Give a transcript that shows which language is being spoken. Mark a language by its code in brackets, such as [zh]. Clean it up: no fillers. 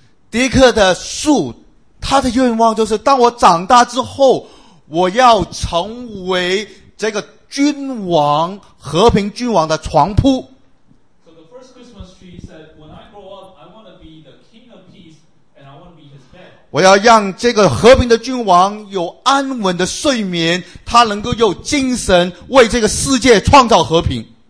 [zh] 第一棵的树，他的愿望就是当我长大之后，我要成为这个君王，和平君王的床铺。 [en] So the first Christmas tree said, when I grow up, I want to be the king of peace, and I want to be his bed. [zh] 我要让这个和平的君王有安稳的睡眠，他能够有精神为这个世界创造和平。